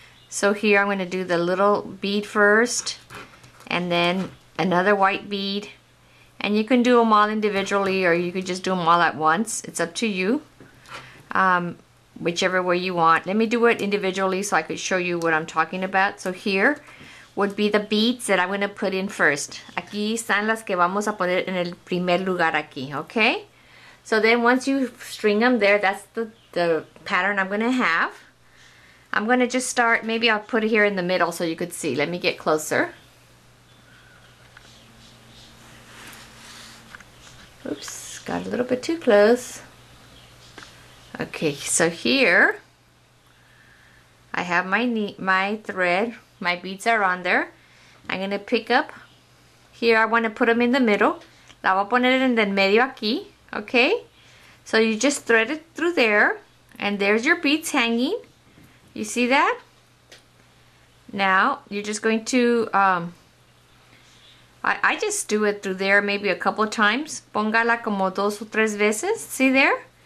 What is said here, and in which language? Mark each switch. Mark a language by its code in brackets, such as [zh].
[en] So here I'm going to do the little bead first, and then another white bead. And you can do them all individually, or you could just do them all at once. It's up to you. Whichever way you want. Let me do it individually so I could show you what I'm talking about. So here would be the beads that I'm going to put in first. [es] Aquí están las que vamos a poner en el primer lugar aquí, okay? [en] So then once you string them there, that's the pattern I'm going to have. I'm going to just start, maybe I'll put it here in the middle so you could see. Let me get closer. Oops, got a little bit too close. Okay, so here I have my thread, my beads are on there. I'm going to pick up here. I want to put them in the middle. [es] La voy a poner en el medio aquí, okay? [en] So you just thread it through there, and there's your beads hanging. You see that? Now you're just going to I just do it through there maybe a couple times. [es] Póngala como dos o tres veces. [en] See there?